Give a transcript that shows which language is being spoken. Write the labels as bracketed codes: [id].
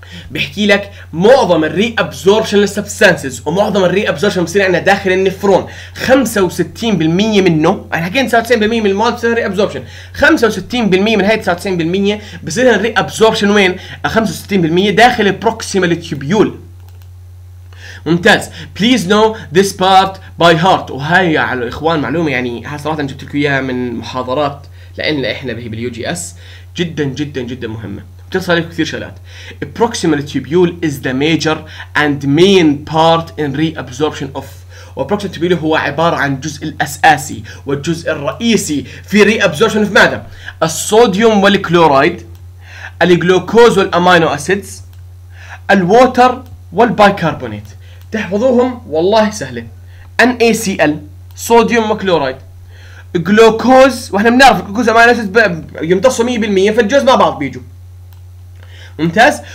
[ar] بحكي لك معظم الري ابزوربشن للسبستانسز ومعظم الري ابزوربشن بصير عندنا داخل النفرون 65% منه، يعني حكينا 99% من المواد بصير ري ابزوربشن، 65% من هاي 99% بصير لها ري ابزوربشن وين؟ 65% داخل البروكسيمال تيبيول. ممتاز. [en] Please know this part by heart. [ar] وهي على الإخوان معلومة، يعني صراحة جبت لكم إياها من محاضرات، لأن إحنا بهي باليو جي أس جدا جدا جدا مهمة، بتصل لكم كثير شغلات. [en] Proximal tubule is the major and main part in reabsorption of. [ar] Proximal tubule هو عبارة عن الجزء الأساسي والجزء الرئيسي في reabsorption of ماذا؟ الصوديوم والكلورايد، الجلوكوز والأمينو أسيدز، الووتر والبيكربونات. تحفظوهم والله سهله. NaCl صوديوم وكلورايد، جلوكوز، واحنا بنعرف الجلوكوز ما لازم يمتصوا 100% فالجوز مع بعض بيجوا، ممتاز.